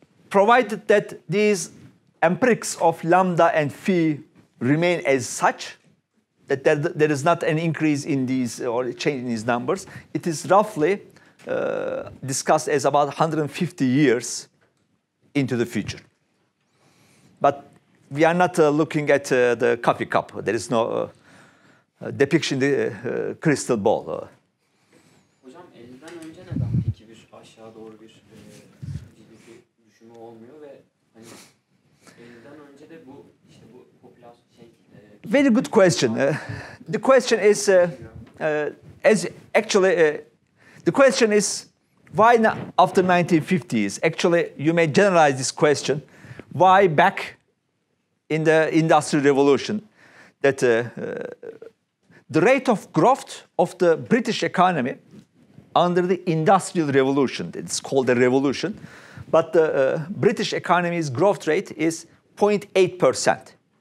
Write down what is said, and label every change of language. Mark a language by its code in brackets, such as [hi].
[en] Provided that these empirics of lambda and phi remain as such, that there is not an increase in these or a change in these numbers, it is roughly discussed as about 150 years into the future. But we are not looking at the coffee cup. There is no depiction the crystal ball. [tr] Hocam, elden önce neden peki bir aşağı doğru bir GDP düşümü olmuyor ve hani elden önce de bu işte bu popülasyon [en] Very good question. The question is the question is why not after 1950s? Actually, you may generalize this question. Why back in the Industrial Revolution that the rate of growth of the British economy under the Industrial Revolution, it's called a revolution, but the British economy's growth rate is 0.8%.